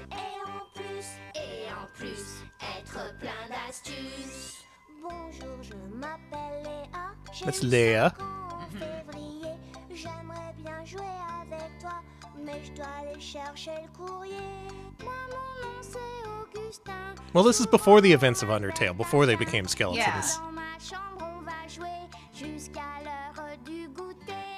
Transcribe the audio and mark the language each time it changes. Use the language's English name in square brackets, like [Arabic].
[French] Et en plus, être plein d'astuces. Bonjour, je m'appelle Léa. [English] That's Léa. [French] En février, j'aimerais bien jouer avec toi, mais je dois aller chercher le courrier. Moi, mon nom, c'est Augustin. [English] Well, this is before the events of Undertale, before they became skeletons. Yeah. [French] Dans ma chambre, on va jouer jusqu'à l'heure du goûter.